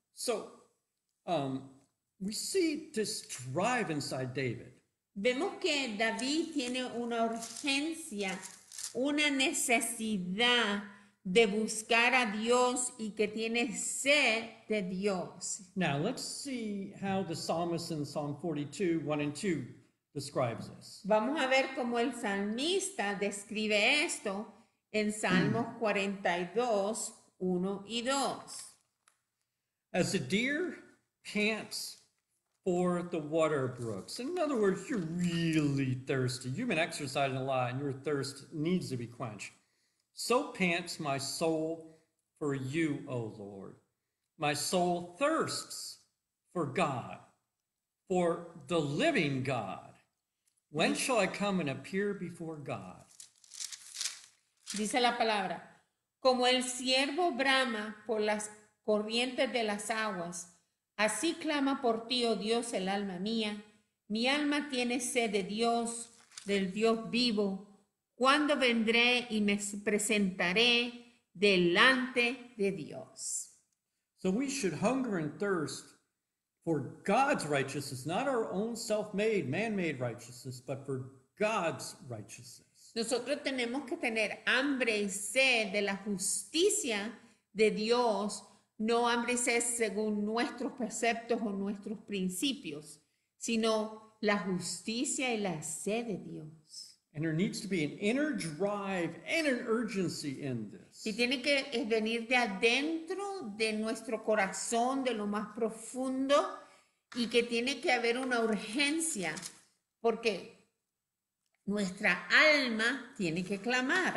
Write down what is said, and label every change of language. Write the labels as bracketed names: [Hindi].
[English] So, we see this drive inside David. [Spanish] Vemos que David tiene una urgencia, una necesidad de buscar a Dios y que tiene sed de Dios. [English] Now, let's see how the psalmist in Psalm 42, 1 and 2 describes this. [Spanish] Vamos a ver cómo el salmista describe esto en Salmos 42, 1 y 2. [English] As a deer pants for the water brooks. In other words, you're really thirsty. You've been exercising a lot and your thirst needs to be quenched. So pants my soul for you, O Lord. My soul thirsts for God, for the living God. When shall I come and appear before God? [Spanish] Dice la palabra, como el ciervo brama por las corrientes de las aguas, así clama por ti, oh Dios, el alma mía. Mi alma tiene sed de Dios, del Dios vivo. ¿Cuándo vendré y me presentaré delante de Dios? [English] So we should hunger and thirst for God's righteousness, not our own self-made, man-made righteousness, but for God's righteousness. [Spanish] Nosotros tenemos que tener hambre y sed de la justicia de Dios, no hambre y sed según nuestros preceptos o nuestros principios, sino la justicia y la sed de Dios. [English] And there needs to be an inner drive and an urgency in this. [Spanish] Y tiene que venir de adentro de nuestro corazón, de lo más profundo, y que tiene que haber una urgencia, porque nuestra alma tiene que clamar.